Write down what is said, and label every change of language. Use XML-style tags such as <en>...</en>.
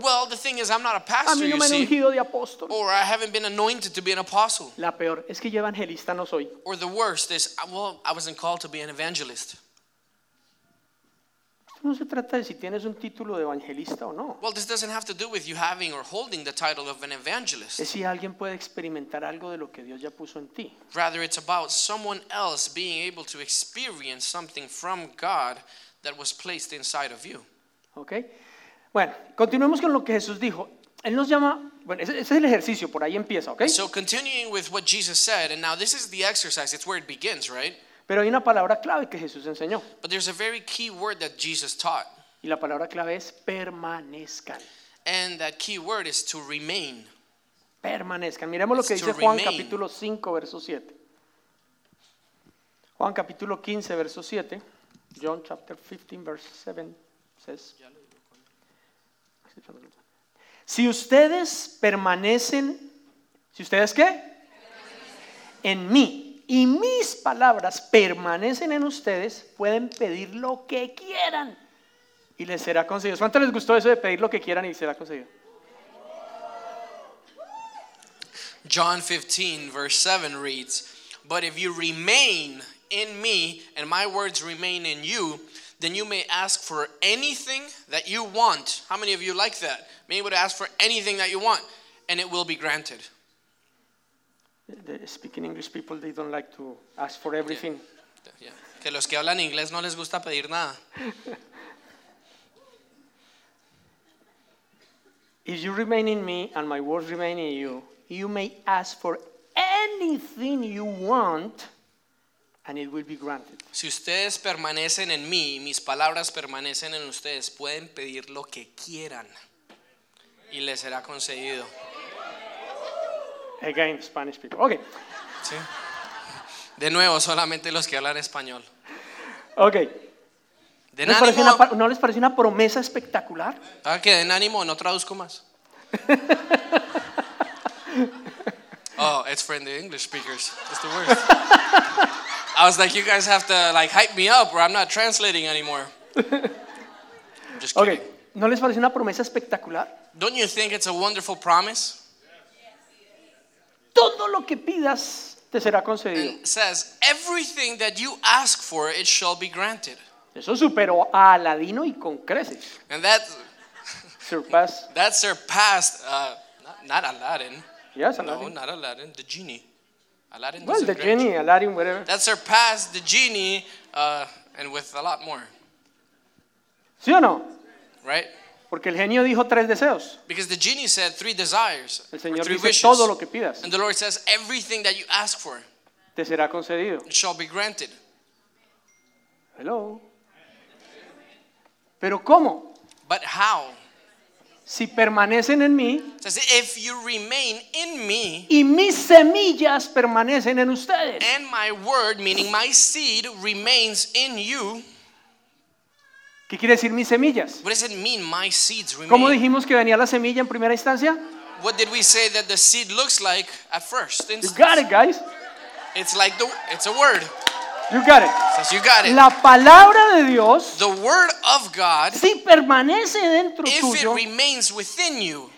<en>Well, the thing is, I'm not a pastor,</en> <es>a mí no me</es> <en>you</en> <es>han ungido de apóstol.</es> <en>Or I haven't been anointed to be an apostle.</en> <es>La peor es que yo evangelista no soy.</es> <en>Or the worst is, well, I wasn't called to be an evangelist.</en> <es>No se trata de si tienes un título de evangelista o no.</es> <en>Well, this doesn't have to do with you having or holding the title of an evangelist.</en> <es>Es si alguien puede experimentar algo de lo que Dios ya puso en ti.</es> <en>Rather, it's about someone else being able to experience something from God that was placed inside of you. Okay.</en> <es>Bueno, continuemos con lo que Jesús dijo. Él nos llama. Bueno, ese es el ejercicio. Por ahí empieza, okay?</es> <en>So continuing with what Jesus said, and now this is the exercise. It's where it begins, right?</en> <es>Pero hay una palabra clave que Jesús enseñó.</es> <en>But there's a very key word that Jesus taught.</en> <es>Y la palabra clave es permanezcan.</es> <en>And that key word is to remain.</en> <es>Permanezcan. Miremos lo que dice Juan capítulo 5, verso 7. Juan capítulo 15, verso 7.</es> <en>John chapter 15, verse 7 says.</en> <es>Si ustedes permanecen, ¿si ustedes qué? En mí. Y mis palabras permanecen en ustedes, pueden pedir lo que quieran y les será concedido. ¿Cuánto les gustó eso de pedir lo que quieran y será concedido?</es> <en>John 15 verse 7 reads, "But if you remain in me and my words remain in you, then you may ask for anything that you want." How many of you like that? Being able to ask for anything that you want and it will be granted. Speaking English people, they don't like to ask for everything. Yeah. Yeah.</en> <es>Que los que hablan inglés no les gusta pedir nada.</es> <en>If you remain in me and my words remain in you, you may ask for anything you want and it will be granted.</en> <es>Si ustedes permanecen en mí, mis palabras permanecen en ustedes, pueden pedir lo que quieran y les será concedido.</es> <en>Again, Spanish people. Okay.</en> <es>Sí. De nuevo, solamente los que hablan español.</es> <en>Okay.</en> <es>Den ánimo. ¿No les parece una promesa espectacular? Ah, que den ánimo, no traduzco más.</es> <en>Oh, it's for the English speakers. It's the worst. I was like, you guys have to like hype me up or I'm not translating anymore. I'm just kidding. Okay.</en> <es>¿No les parece una promesa espectacular?</es> <en>Don't you think it's a wonderful promise?</en> <es>Todo lo que pidas te será concedido.</es> <en>It says, everything that you ask for, it shall be granted.</en> <es>Eso superó a Aladino y con creces.</es> <en>And that surpassed. That surpassed not Aladdin. Yes, Aladdin. No, not Aladdin. The genie. Aladdin. Well, the genie, you. Aladdin, whatever. That surpassed the genie, and with a lot more.</en> <es>¿Sí o no?</es> <en>Right.</en> <es>Porque el genio dijo tres deseos.</es> <en>Because the genie said three desires.</en> <es>El Señor</es> <en>three</en> <es>dice</es> <en>wishes.</en> <es>Todo lo que pidas.</es> <en>And the Lord says everything that you ask for.</en> <es>Te será concedido.</es> <en>It shall be granted. Hello.</en> <es>Pero ¿cómo?</es> <en>But how?</en> <es>Si permanecen en mí.</es> <en>It says if you remain in me.</en> <es>Y mis semillas permanecen en ustedes.</es> <en>And my word, meaning my seed, remains in you.</en> <es>¿Qué quiere decir mis semillas?</es> <en>What does it mean, my seeds remain?</en> <es>¿Cómo dijimos que venía la semilla en primera instancia?</es> <en>What did we say that the seed looks like at first instance? You got it, guys. It's like the, it's a word. You got it. Says you got it.</en> <es>La palabra de Dios.</es> <en>The word of God.</en> <es>Si permanece dentro</es> <en>if</en> <es>tuyo.</es> <en>If it remains within you.</en>